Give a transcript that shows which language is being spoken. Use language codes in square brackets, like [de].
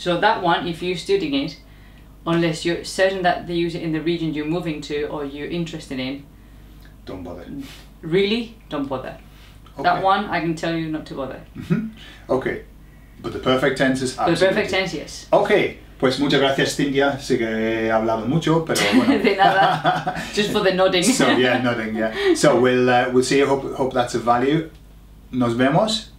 [en] So that one, if you're studying it, unless you're certain that they use it in the region you're moving to or you're interested in, don't bother. Really? Don't bother. Okay. That one, I can tell you not to bother. Okay. But the perfect tense is absolutely. The perfect tense, yes. Okay. [es] Pues muchas gracias, Cynthia. Sí que he hablado mucho, pero bueno. De nada. [en] Just for the nodding. So, yeah, nodding, yeah. So, we'll see. Hope that's of value. [es] Nos vemos.